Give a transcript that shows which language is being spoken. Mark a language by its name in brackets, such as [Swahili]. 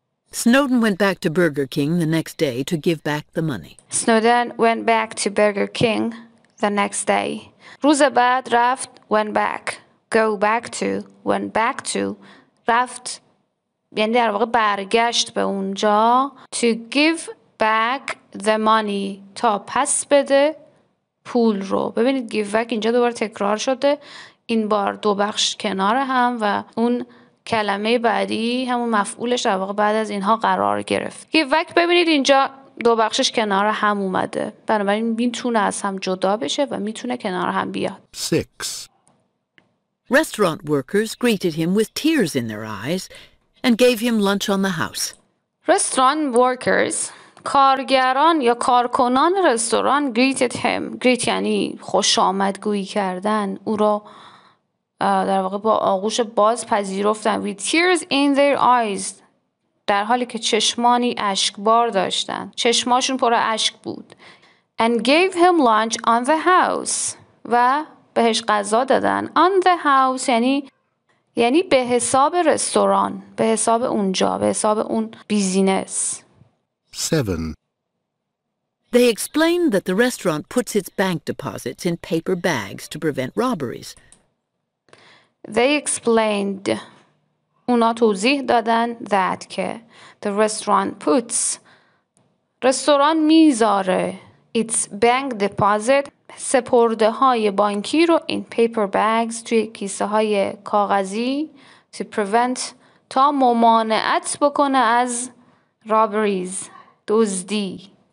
[English] Snowden went back to Burger King the next day to give back the money. Snowden went back to Burger King the next day. [Persian] روز بعد رفت [English] went back. Go back to went back to [Persian] رفت یعنی در واقع برگشت به اونجا [English] to give back the money [Persian] تا پس بده پول رو. ببینید give back اینجا دوباره تکرار شده. این بار دو بخش کنار هم و اون کلمه بعدی همون مفعولش در واقع بعد از اینها قرار گرفت. Give back ببینید اینجا دو بخشش کنار هم اومده. بنابراین میتونه از هم جدا بشه و میتونه کنار هم بیاد. 6. [English] Restaurant workers greeted him with tears in their eyes and gave him lunch on the house. Restaurant workers [Persian] کارگران یا کارکنان رستوران [English] greeted him. [Persian] Greet یعنی خوش آمدگویی کردن. او را در واقع با آغوش باز پذیرفتن [English] with tears in their eyes [Persian] در حالی که چشمانی اشکبار داشتن چشماشون پر اشک بود [English] and gave him lunch on the house [Persian] و بهش غذا دادن [English] on the house [Persian] یعنی به حساب رستوران به حساب اونجا به حساب اون بیزینس 7 [English] They explained that the restaurant puts its bank deposits in paper bags to prevent robberies. They explained. [Persian] اونا توضیح دادن [English] that [Persian] که [English] the restaurant puts. [Persian] رستوران میذاره [English] its bank deposit [Persian] سپرده های بانکی رو [English] in paper bags [Persian] توی کیسه های کاغذی [English] to prevent [Persian] تا ممانعت بکنه از robberies دزدی.